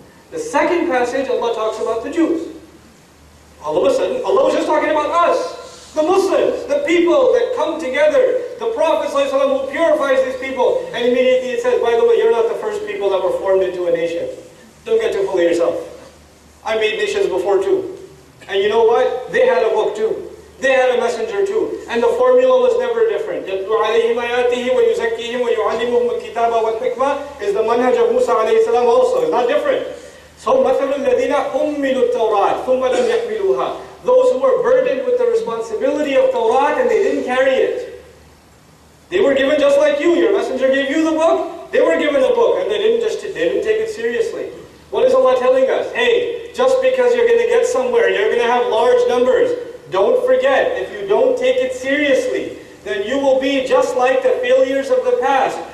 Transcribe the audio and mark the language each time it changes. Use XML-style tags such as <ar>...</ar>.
<en>The second passage, Allah talks about the Jews. All of a sudden, Allah was just talking about us, the Muslims, the people that come together. The Prophet ﷺ who purifies these people. And immediately it says, by the way, you're not the first people that were formed into a nation. Don't get too full of yourself. I made nations before too. And you know what? They had a book too. They had a messenger too. And the formula was never different.</en> <ar>يَدْلُ عَلَيْهِمْ آيَاتِهِ وَيُزَكِّيهِمْ وَيُعَلِّمُهُمُ الْكِتَابَ وَالْحِكْمَةِ</ar> <en>is the manhaj of Musa also. It's not different. So,</en> <ar>مَثَلُ الَّذِينَ أُمِّلُوا التَّوْرَاةِ ثُمَّ لَمْ يَحْمِلُوهَا.</ar> <en>Those who were burdened with the responsibility of Torah and they didn't carry it. They were given just like you. Your messenger gave you the book. They were given the book and they didn't take it seriously. What is Allah telling us? Hey, just because you're going to get somewhere, you're going to have large numbers, don't forget, if you don't take it seriously, then you will be just like the failures of the past.</en>